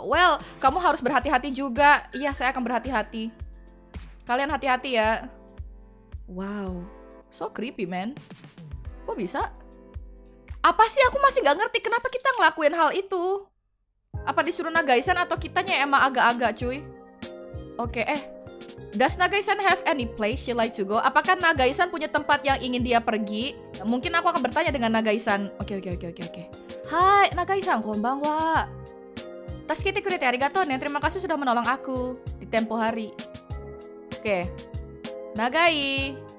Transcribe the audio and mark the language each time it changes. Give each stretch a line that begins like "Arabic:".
Indonesian: Well, kamu harus berhati-hati juga. Iya, saya akan berhati-hati. Kalian hati-hati ya.
English: Wow, so creepy, man.
Indonesian: Kok bisa? Apa sih? Aku masih gak ngerti kenapa kita ngelakuin hal itu. Apa disuruh Nagai-san atau kitanya emang agak-agak, cuy?
English: Oke, Does Nagai-san have any place she like to go?
Indonesian: Apakah Nagai-san punya tempat yang ingin dia pergi? Mungkin aku akan bertanya dengan Nagai-san. Oke. Hai, Nagai-san, konbanwa.
Japanese: Tasukete kurete arigato ne.
Indonesian: Terima kasih sudah menolong aku di tempo hari. Oke. Nagai.